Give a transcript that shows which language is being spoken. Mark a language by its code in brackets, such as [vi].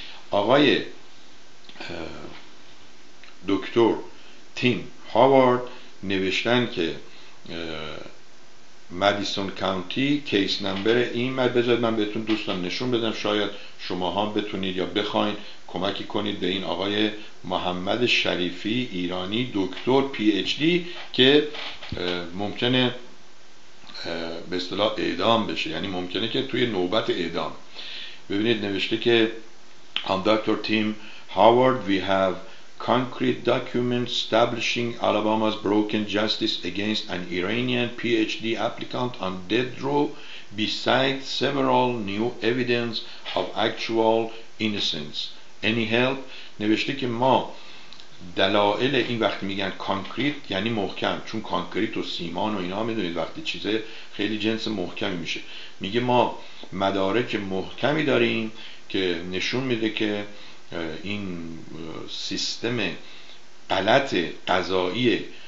[fa] آقای دکتر تیم هاوارد نوشتن که مدیسون کاونتی کیس نمبر این مد، بذارید من بهتون دوستان نشون بدم، شاید شما هم بتونید یا بخواین کمکی کنید به این آقای محمد شریفی ایرانی، دکتر پی اچ دی، که ممکنه به اصطلاح اعدام بشه، یعنی ممکنه که توی نوبت اعدام. ببینید نوشته که [en] I'm Dr. Tim Howard. We have concrete documents establishing Alabama's broken justice against an Iranian PhD applicant on death row, besides several new evidence of actual innocence. any help [fa] نوشته که ما دلایل این وقتی میگن کانکریت یعنی محکم، چون کانکریت و سیمان و اینا میدونید وقتی چیزه خیلی جنس محکمی میشه، میگه ما مدارک محکمی داریم که نشون میده که این سیستم غلط قضایی